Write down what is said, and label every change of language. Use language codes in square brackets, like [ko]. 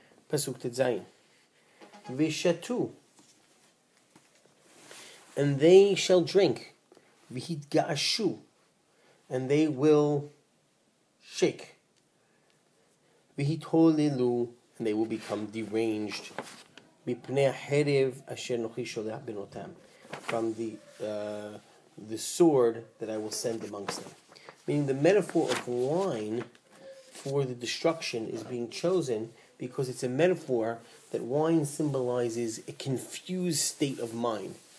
[he] Pasuk Tetzayin. Vishatu. [en] And they shall drink. [he] Vihit ga'ashu. [en] And they will shake. [he] Vihit holilu. [en] And they will become deranged. [he] מפני החרב אשר נוכי שולח בנותם. [en] From the sword that I will send amongst them. Meaning the metaphor of wine for the destruction is being chosen because it's a metaphor that wine symbolizes a confused state of mind.